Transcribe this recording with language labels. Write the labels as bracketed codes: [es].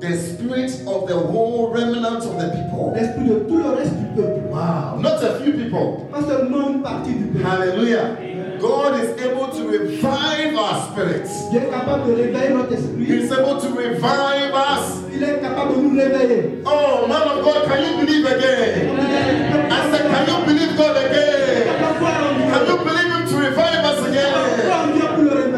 [en] the spirit of the whole remnant of the people. [fr] L'esprit de tout le reste du peuple. [en] Wow. Not a few people. [fr] Pas seulement une partie du peuple. [en] Hallelujah. Amen. God is able to revive our spirits. [fr] Il est capable de réveiller notre esprit. [en] He's able to revive us. [fr] Il est capable de nous réveiller. [en] Oh, man of God, can you believe again? Amen. I said, can you believe God again? Can you believe Him to revive us again?